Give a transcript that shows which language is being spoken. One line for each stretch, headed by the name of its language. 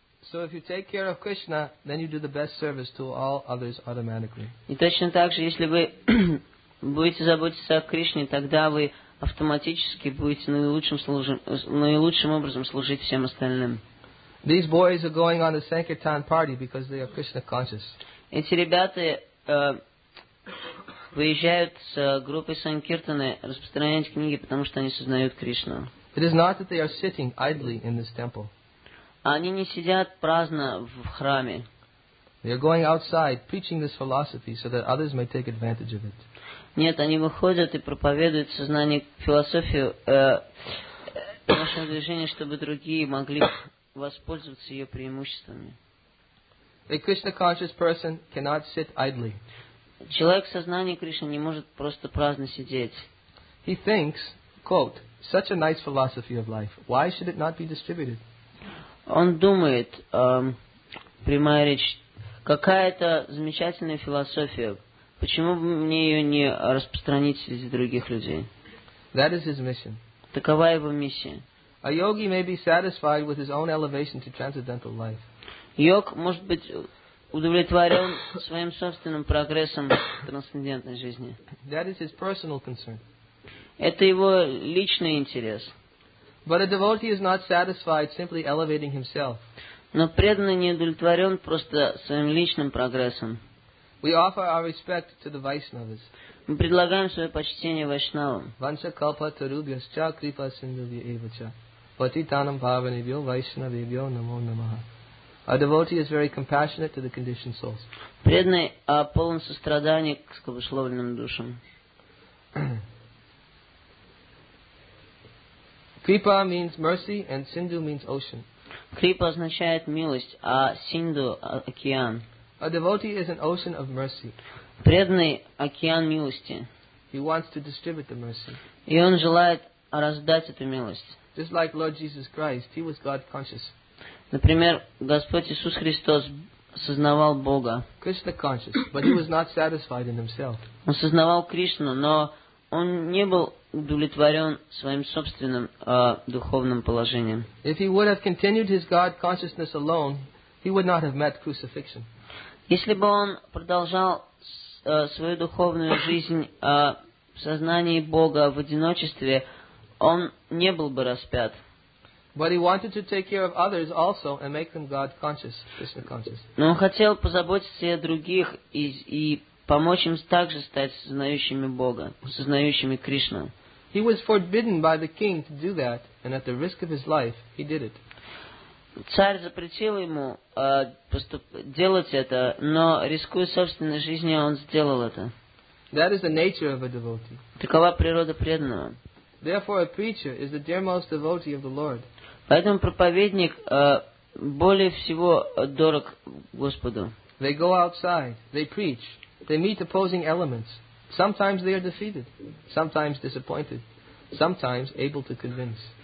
English: So if you take care of Krishna, then you do the best service to all others automatically.
Russian: И точно так же, если вы будете заботиться о Кришне, тогда вы автоматически будете наилучшим образом служить всем остальным.
English: These boys are going on the Sankirtan party because they are Krishna conscious.
Russian: Эти ребята выезжают с группой Санкиртаны распространять книги, потому что они сознают Кришну.
English: It is not that they are sitting idly in this temple.
Russian: Они не сидят праздно в храме.
English: They are going outside preaching this philosophy so that others may take advantage of it.
Russian: Нет, они выходят и проповедуют сознание философию нашего движения, чтобы другие могли воспользоваться ее преимуществами.
English: A Krishna conscious person cannot sit idly.
Russian: Человек в сознании Кришны не может просто праздно сидеть.
English: He thinks, quote, such a nice philosophy of life. Why should it not be distributed?
Russian: Он думает, прямая речь, какая-то замечательная философия. Почему бы мне ее не распространить среди других людей?
English: That is his mission.
Russian: Такова его миссия.
English: A yogi may be satisfied with his own elevation to transcendental life.
Russian: Йог может быть удовлетворен своим собственным прогрессом в трансцендентной жизни.
English: That is his personal concern.
Russian: Это его личный интерес.
English: But a devotee is not satisfied simply elevating himself.
Russian: Но преданный не удовлетворен просто своим личным прогрессом.
English: We offer our respect to the Vaishnavas.
Russian: Мы предлагаем свое почтение вайшнавам.
Sanskrit: Ванча калпа тарубьясча крипа синдувья эвача. Патитанам бхаванивьо вайшнавивьо намо намаха.
English: A devotee is very compassionate to the conditioned souls.
Russian: Преданный полон сострадания к скобословленным душам.
English: Kripa means mercy and Sindhu means ocean.
Russian: Kripa означает милость, а Sindhu – океан.
English: A devotee is an ocean of mercy.
Russian: Преданный – океан милости.
English: He wants to distribute the mercy.
Russian: И он желает раздать эту милость.
English: Just like Lord Jesus Christ, he was God conscious.
Russian: Например, Господь Иисус Христос сознавал Бога.
English: Krishna conscious, but he was not satisfied in himself.
Russian: Он сознавал Кришну, но он не был удовлетворен своим собственным духовным положением.
English: If he would have continued his God consciousness alone, he would not have met crucifixion.
Russian: Если бы он продолжал свою духовную жизнь в сознании Бога в одиночестве, он не был бы распят.
English: But he wanted to take care of others also and make them God conscious, Krishna conscious.
Russian: Но он хотел позаботиться и о других и помочь им также стать сознающими Бога, сознающими Кришну.
English: He was forbidden by the king to do that, and at the risk of his life, he did it.
Russian: Царь запретил ему делать это, но рискуя собственной жизнью, он сделал это.
English: That is the nature of a devotee.
Russian: Такова природа преданного.
English: Therefore, a preacher is the dearmost devotee of the Lord.
Russian: Поэтому проповедник более всего дорог Господу.
English: They go outside, they preach, they meet opposing elements. Sometimes they are defeated, sometimes disappointed, sometimes able to convince.